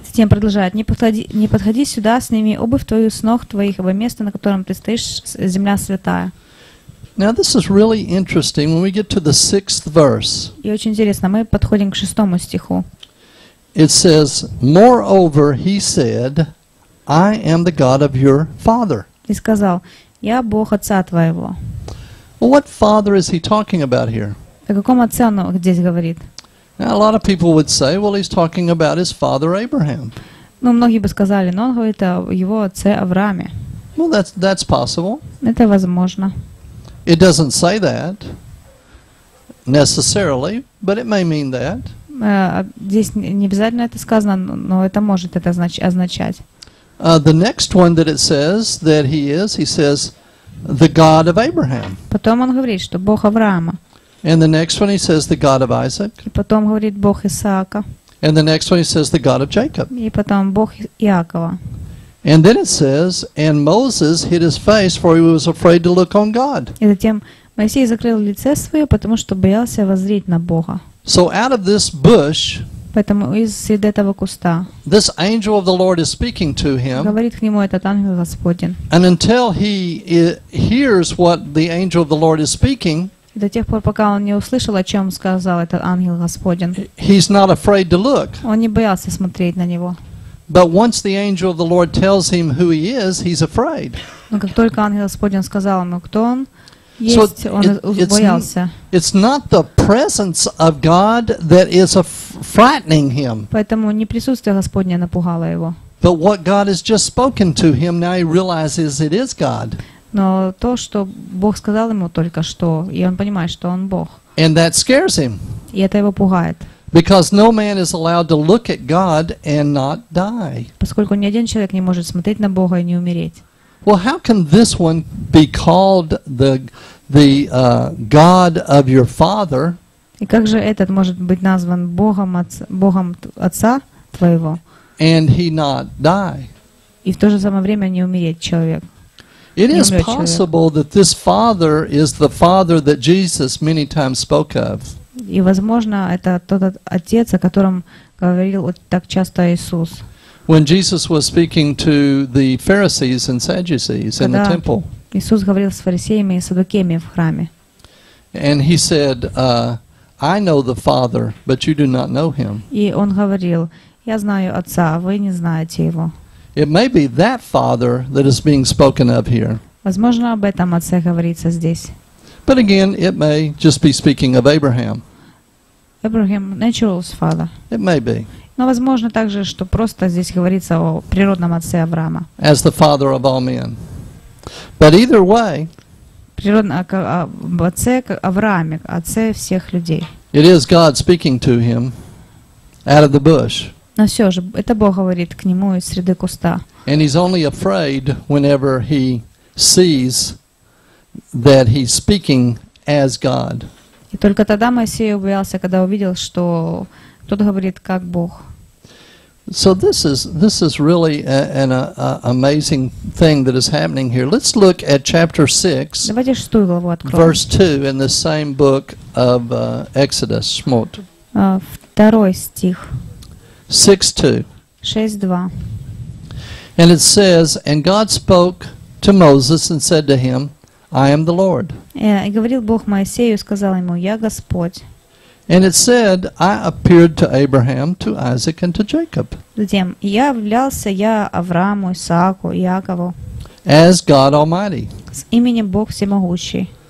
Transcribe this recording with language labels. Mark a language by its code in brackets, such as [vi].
[ru] Затем продолжает: не подходи сюда, сними обувь твою с ног твоих, ибо место, на котором ты стоишь, земля святая. [en] Now this is really interesting. When we get to the sixth verse, [ru] и очень интересно, мы подходим к шестому стиху. [en] It says, "Moreover, he said, I am the God of your father." [ru] И сказал: я Бог отца твоего. [en] What father is he talking about here? [ru] О каком отце он здесь говорит? [en] Now, a lot of people would say, well, he's talking about his father Abraham. [ru] Ну, многие бы сказали, но он говорит о его отце Аврааме. [en] Well, that's possible. [ru] Это возможно. [en] It doesn't say that necessarily, but it may mean that. [ru] Здесь не обязательно это сказано, но это может это означать. [en] The next one that it says that he is, he says, the God of Abraham. [ru] Потом он говорит, что Бог Авраама. [en] And the next one he says the God of Isaac. [ru] И потом говорит Бог Исаака. [en] And the next one he says the God of Jacob. [ru] И потом Бог Иакова. [en] And then it says, and Moses hid his face, for he was afraid to look on God. [ru] И затем Моисей закрыл лицо свое, потому что боялся воззреть на Бога. [en] So out of this bush, [ru] поэтому из среди этого куста, [en] this angel of the Lord is speaking to him, [ru] говорит к нему этот ангел Господень. [en] And until he hears what the angel of the Lord is speaking, [ru] до тех пор, пока он не услышал, о чем сказал этот ангел Господень, [en] he's not afraid to look. [ru] Он не боялся смотреть на него. [en] But once the angel of the Lord tells him who he is, he's afraid. [ru] Но как только ангел Господень сказал ему, кто он есть, он боялся. [en] It's not the presence of God that is frightening him. [ru] Поэтому не присутствие Господне напугало его. [en] But what God has just spoken to him, now he realizes it is God. [ru] Но то, что Бог сказал ему только что, и он понимает, что он Бог. [en] And that scares him. [ru] И это его пугает. [en] Because no man is allowed to look at God and not die. [ru] Поскольку ни один человек не может смотреть на Бога и не умереть. [en] Well, how can this one be called the God of your father? [ru] И как же этот может быть назван Богом отца твоего? [en] And he not die. [ru] И в то же самое время не умереть человек. [en] It is possible that this father is the father that Jesus many times spoke of. [ru] И, возможно, это тот отец, о котором говорил так часто Иисус. [en] When Jesus was speaking to the Pharisees and Sadducees in the temple. [ru] Когда Иисус говорил с фарисеями и саддукеями в храме. [en] And he said, "I know the Father, but you do not know him." [ru] И он говорил: "Я знаю отца, вы не знаете его." [en] It may be that father that is being spoken of here. [ru] Возможно, об этом отце говорится здесь. [en] But again, it may just be speaking of Abraham. Abraham, natural's father. It may be. [ru] Но возможно также, что просто здесь говорится о природном отце Авраама. [en] As the father of all men. But either way, [ru] природном отце Аврааме, отце всех людей. [en] It is God speaking to him out of the bush. [ru] Но все же, это Бог говорит к нему из среды куста. [en] And he's only afraid whenever he sees that he's speaking as God. [ru] И только тогда Моисей убоялся, когда увидел, что тот говорит как Бог. [en] So this is really an amazing thing that is happening here. Let's look at chapter 6. [ru] Давайте шестую главу откроем. [en] Verse 2 in the same book of Exodus. Шмот. [ru] Второй стих. [en] 6:2. [ru] 6:2. [en] And it says, and God spoke to Moses and said to him, I am the Lord. [ru] И говорил Бог Моисею, сказал ему: Я Господь. [en] And it said, I appeared to Abraham, to Isaac, and to Jacob. [ru] Затем я являлся я Аврааму, Исааку, Иакову. [en] As God Almighty. [ru] С именем Бог Всемогущий.